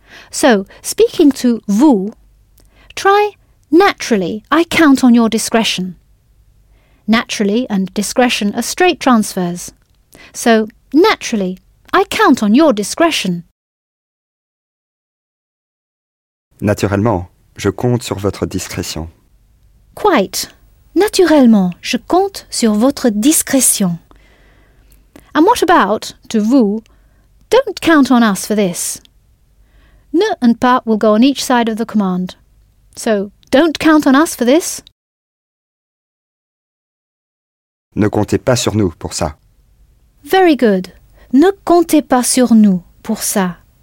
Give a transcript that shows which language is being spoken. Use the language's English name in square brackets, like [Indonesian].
[English] So, speaking to vous, try naturally, I count on your discretion. Naturally and discretion are straight transfers. So, naturally, I count on your discretion. [French] Naturellement, je compte sur votre discrétion. [English] Quite. [French] Naturellement, je compte sur votre discrétion. [English] And what about, to vous, don't count on us for this. Ne and pas will go on each side of the command. So, don't count on us for this. [French] Ne comptez pas sur nous pour ça. [English] Very good. [French] Ne comptez pas sur nous pour ça.